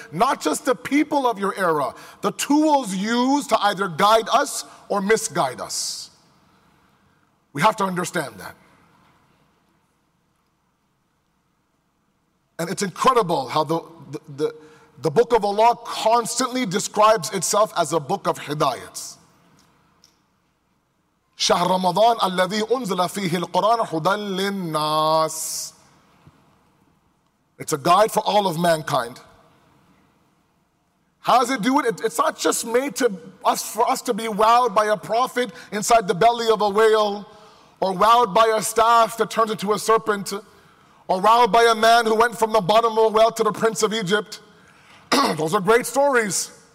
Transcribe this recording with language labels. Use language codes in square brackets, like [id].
[en] Not just the people of your era, the tools used to either guide us or misguide us. We have to understand that. And it's incredible how the book of Allah constantly describes itself as a book of hidayats. [ar] شهر رمضان الذي أنزل فيه القرآن هدى للناس. [en] It's a guide for all of mankind. How does it do it? It's not just made for us to be wowed by a prophet inside the belly of a whale, or wowed by a staff that turns into a serpent, or wowed by a man who went from the bottom of a well to the prince of Egypt. Those are great stories.